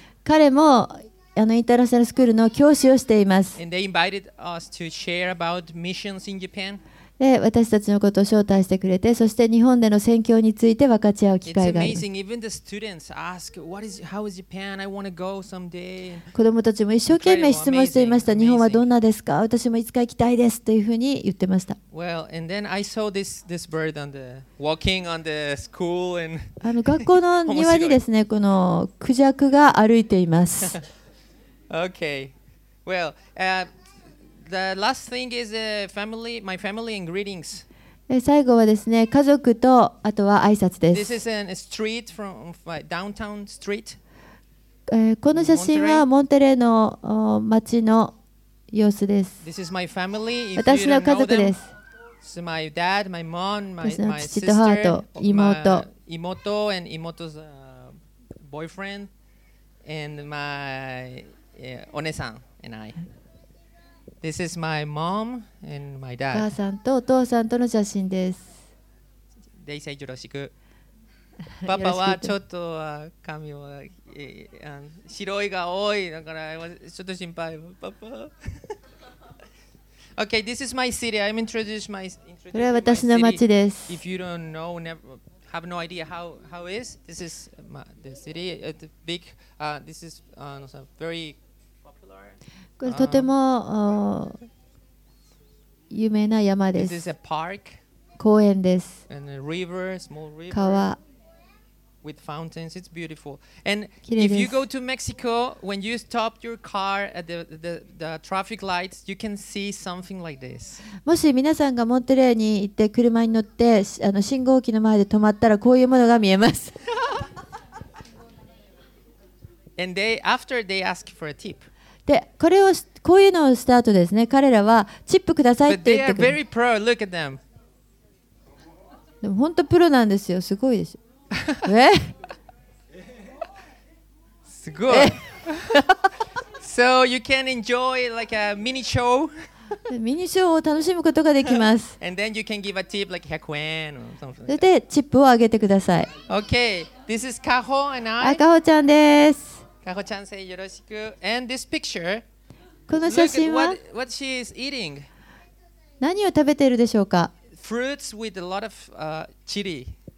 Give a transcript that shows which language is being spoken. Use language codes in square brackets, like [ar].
[ja] 彼もインターナショナルスクールの教師をしています。 [en] And they invited us to share about missions in Japan. [ja] で私たちのことを招待してくれて、そして日本での宣教について分かち合う機会があります。 [en] It's amazing. Even the students ask, what is, how is Japan? I want to go someday. [ja] 子供たちも一生懸命質問していました。日本はどんなですか？私もいつか行きたいですというふうに言ってました。 [en] Well, and then I saw this bird on the walking on the school and [ja] 学校の庭にですね、このクジャクが歩いています。 [en] Okay. Well, The last thing is family, my family and greetings. [ja] 最後はですね、家族とあとは挨拶です。 [en] This is a street from downtown street. [ja] この写真はモンテレーの街の様子です。 [en] This is my family. [ja] 私の家族です。 [en] This is my dad, my mom, my sister. [ja] 父と母と妹。 [en] 妹 and 妹's boyfriend and my お姉さん and I. This is my mom and my dad. [ja] 母さんとお父さんとの写真です。デイさんよろしく。パパはちょっと髪は白いが多いだからちょっと心配。パパ。 [en] okay, this is my city. I'm introducing my city. [ja] これは私の町です。 [en] If you don't know, never, have no idea how is this is my, the city. It's big. This is very. [ja] これとても有名な山です。 [en] This is a park. [ja] 公園です。 [en] And a river, small river. [ja] 川 [en] With fountains, it's beautiful. And if you go to Mexico, when you stop your car at the traffic lights, you can see something like this. [ja] もし皆さんがモンテレーに行って車に乗って信号機の前で止まったらこういうものが見えます。 [en] And they, after they ask for a tip. [ja] でこれをこういうのをスタートですね。彼らはチップくださいって言ってくる。 [en] They are very pro. Look at them. [ja] でも本当プロなんですよ。すごいでしょ。え？すごい。 [en] So you can enjoy like a mini show. [ja] ミニショーを楽しむことができます。 [en] And then you can give a tip like 100 yen or something. [ja] それでチップをあげてください。 [en] Okay. This is Kaho and I. [ja] あ、カホちゃんです。カホちゃん、せいよろしく。 [en] And this picture, [ja] この写真は [en] what she is eating. [ja] 何を食べているでしょうか。 [en] Fruits with a lot of, chili.